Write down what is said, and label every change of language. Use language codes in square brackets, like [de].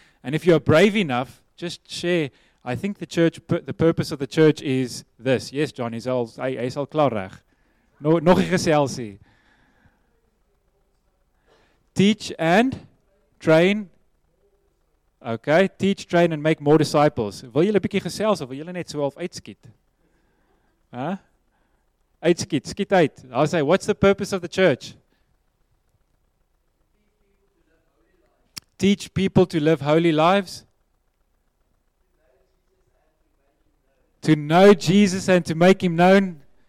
[en] And if you're brave enough, just share. I think the church, the purpose of the church is this. Yes, John, he's [af] al klarig. Nog geselsie. [en] Teach and train. Okay, teach, train and make more disciples. [af] Wil julle 'n bietjie gesels of wil julle net so half uitskiet? Huh? Uitskiet, skiet uit. [en] I say, what's the purpose of the church? Teach people to live holy lives. To know Jesus and to make him known.